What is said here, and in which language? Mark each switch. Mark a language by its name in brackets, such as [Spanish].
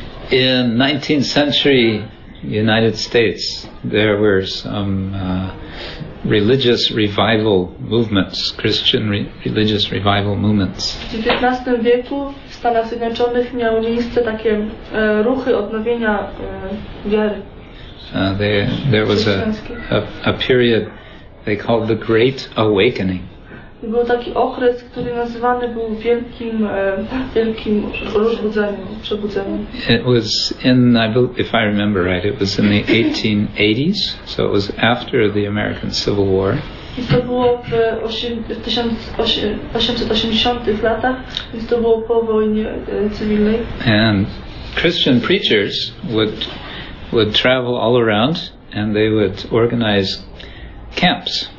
[English] In 19th century United States, there were some religious revival movements, Christian religious revival movements. [Polish] W XIX wieku w Stanach Zjednoczonych miały miejsce takie ruchy odnowienia wiary. [English] There was a period they called the Great Awakening. [Polish] Był taki okres, który nazywany był wielkim, wielkim rozbudzeniem, przebudzeniem. [English] It was in, if I remember right, it was in the 1880s, so it was after the American Civil War. [Polish] I to było w 1880-tych latach, więc to było po wojnie cywilnej. [English] And Christian preachers would travel all around, and they would organize camps.